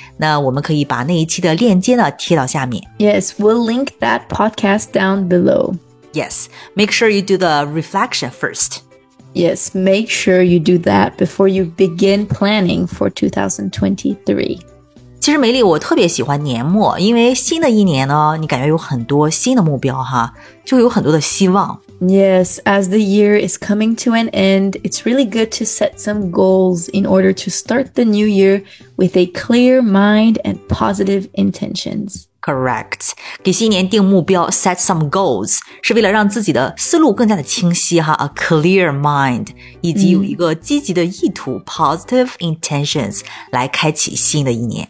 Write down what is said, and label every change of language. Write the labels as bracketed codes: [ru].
[zh] 那我们可以把那一期的链接呢贴到下面。 [en] Yes, we'll link that podcast down below. Yes, make sure you do the reflection first. Yes, make sure you do that before you begin planning for 2023. [zh] 其实梅丽我特别喜欢年末，因为新的一年呢你感觉有很多新的目标哈，就有很多的希望。 [en] Yes, as the year is coming to an end, it's really good to set some goals in order to start the new year with a clear mind and positive intentions. Correct. [zh] 给新年定目标 [en] set some goals, [zh] 是为了让自己的思路更加的清晰哈 [en] a clear mind, [zh] 以及有一个积极的意图 [en] positive intentions, [zh] 来开启新的一年。